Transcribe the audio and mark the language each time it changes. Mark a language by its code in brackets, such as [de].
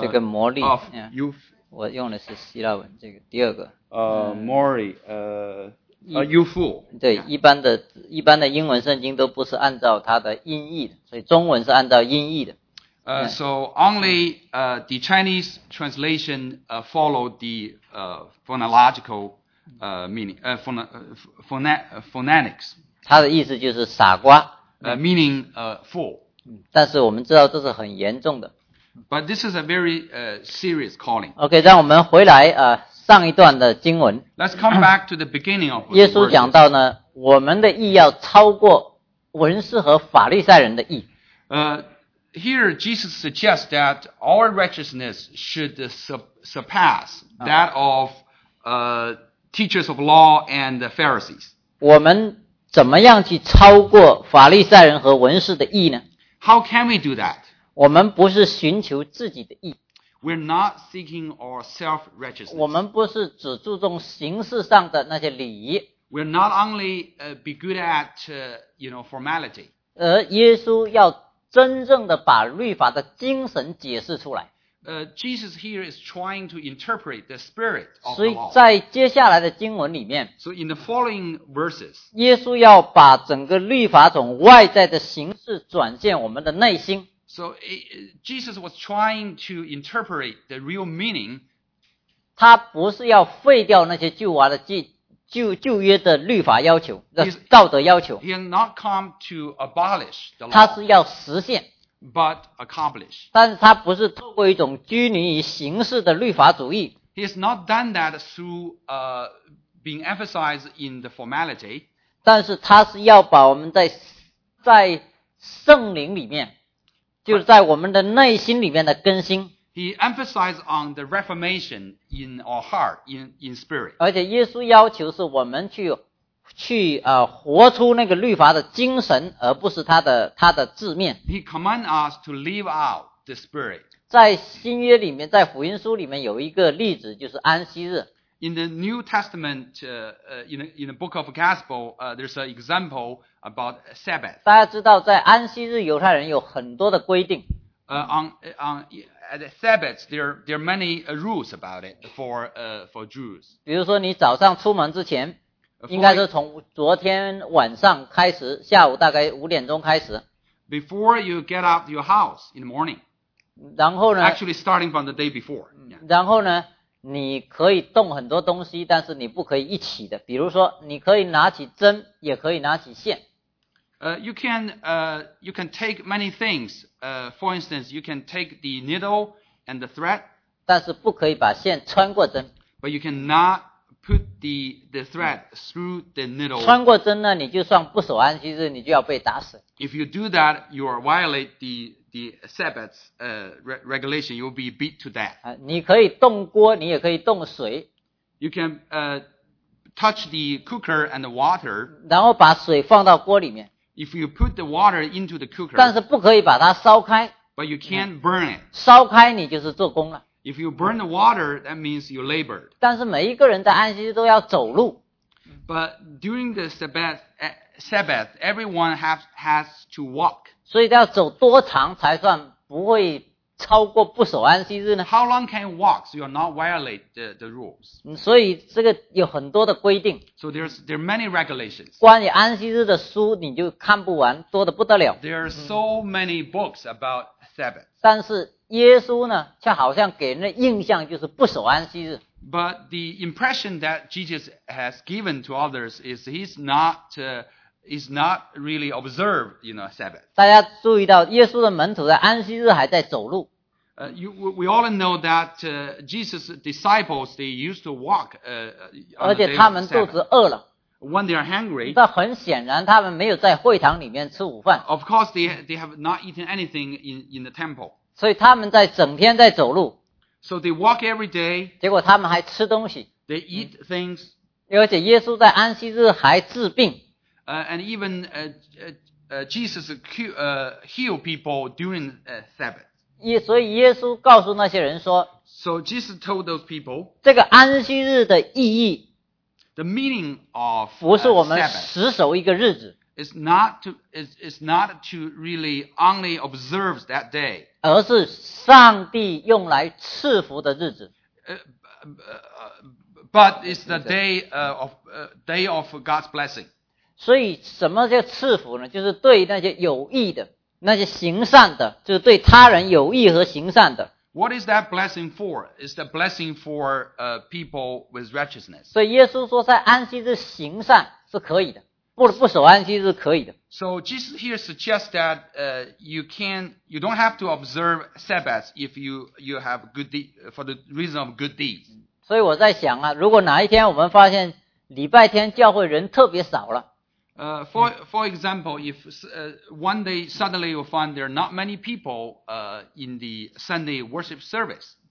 [zh] 这个魔力。我用的是希腊文这个第二个。 [en] Mori. You fool. [zh] 对一般的英文圣经都不是按照它的音译的，所以中文是按照音译的。 [en] So only the Chinese translation followed the phonological meaning, phonetics. [zh] 它的意思就是傻瓜。 [en] Meaning fool. [zh] 但是我们知道这是很严重的。 [en] But this is a very serious calling. [zh] OK, 让我们回来上一段的经文。 [en] Let's come back to the beginning of the word. [zh] 耶稣讲到呢，我们的义要超过文士和法利赛人的义。 [en] here Jesus suggests that our righteousness should surpass that of teachers of law and the Pharisees. [zh] 我们怎么样去超过法利赛人和文士的义呢？ [en] How can we do that? [zh] 我们不是寻求自己的义。 [en] We're not seeking our self-righteousness. [zh] 我们不是只注重形式上的那些礼仪。 [en] We're not only be good at, you know, formality. [zh] 而耶稣要真正的把律法的精神解释出来。 [en] Jesus here is trying to interpret the spirit of the law. [zh] 所以在接下来的经文里面， [en] So in the following verses, [zh] 耶稣要把整个律法从外在的形式转现我们的内心。 [en] So Jesus was trying to interpret the real meaning. [zh] 他不是要废掉那些旧约的律法要求的道德要求。 [en] He has not come to abolish the law. [zh] 他是要实现。 [en] But accomplish. [zh] 但是他不是透过一种拘泥于形式的律法主义。 [en] He has not done that through being emphasized in the formality. [zh] 但是他是要把我们在圣灵里面，就是在我们的内心里面的更新。 [en] He emphasized on the reformation in our heart, in spirit. [zh] 而且耶稣要求是我们去活出那个律法的精神，而不是它的字面。 [en] He commanded us to live out the spirit. [zh] 在新约里面，在福音书里面有一个例子，就是安息日。 [en] In the New Testament, in the book of Gospel, there's an example about Sabbath. [zh] 大家知道，在安息日，犹太人有很多的规定。 [en] At the Sabbath, there are many rules about it for Jews. [zh] 比如说，你早上出门之前，应该是从昨天晚上开始，下午大概五点钟开始。 [en] Before you get out of your house in the morning. [zh] 然后呢 [en] ？Actually, starting from the day before.、Yeah. [zh] 然后呢？你可以动很多东西，但是你不可以一起的。比如说，你可以拿起针，也可以拿起线。 [en] You can take many things. For instance, you can take the needle and the thread. [zh] 但是不可以把线穿过针。 [en] But you cannot put the thread through the needle. [zh] 穿过针呢，你就算不守安息日，你就要被打死。 [en] If you do that, you are violate the Sabbath's regulation, you'll be beat to death. [zh] 你可以动锅，你也可以动水。 [en] You can touch the cooker and the water. [zh] 然后把水放到锅里面。 [en] If you put the water into the cooker. [zh] 但是不可以把它烧开。 [en] But you can't burn it. [zh] 烧开你就是做工了。 [en] If you burn the water, that means you labored. [zh] 但是每一个人在安息日都要走路。 [en] But during the Sabbath, everyone has to walk. [zh] 所以要走多长才算不会超过不守安息日呢？ [en] How long can you walk so you're not violate the rules? [zh] 所以这个有很多的规定。 [en] So there are many regulations. [zh] 关于安息日的书你就看不完，多得不得了。 [en] There are so many books about Sabbath. [zh] 但是耶稣呢，却好像给人的印象就是不守安息日。 [en] But the impression that Jesus has given to others is he's not is not really observed, you know, Sabbath. [zh] 大家注意到耶稣的门徒在安息日还在走路。 [en] We all know that Jesus' disciples, they used to walk, [zh] 而且他们肚子饿了。 [en] When they are hungry. [zh] 那很显然他们没有在会堂里面吃午饭。 [en] Of course, they have not eaten anything in the temple. [zh] 所以他们在整天在走路。 [en] So they walk every day. [zh] 结果他们还吃东西。 [en] They eat things. [zh] 而且耶稣在安息日还治病。 [en] And even Jesus healed people during Sabbath. [zh] 所以耶稣告诉那些人说 [en] So Jesus told those people, [zh] 这个安息日的意义 [en] the meaning of Sabbath, [zh] 不是我们死守一个日子 [en] is not to really only observe that day, [zh] 而是上帝用来赐福的日子。 [en] But it's the day of God's blessing. [zh] 所以什么叫赐福呢？就是对那些有益的，那些行善的，就是对他人有益和行善的。 [en] What is that blessing for? It's the blessing for people with righteousness. [zh] 所以耶稣说在安息日行善是可以的，不守安息日是可以的。 [en] So Jesus here suggests that you don't have to observe Sabbath if you have good deeds, for the reason of good deeds. [zh] 所以我在想啊，如果哪一天我们发现礼拜天教会人特别少了， [en] For example, if one day suddenly you find there are not many people in the Sunday worship service,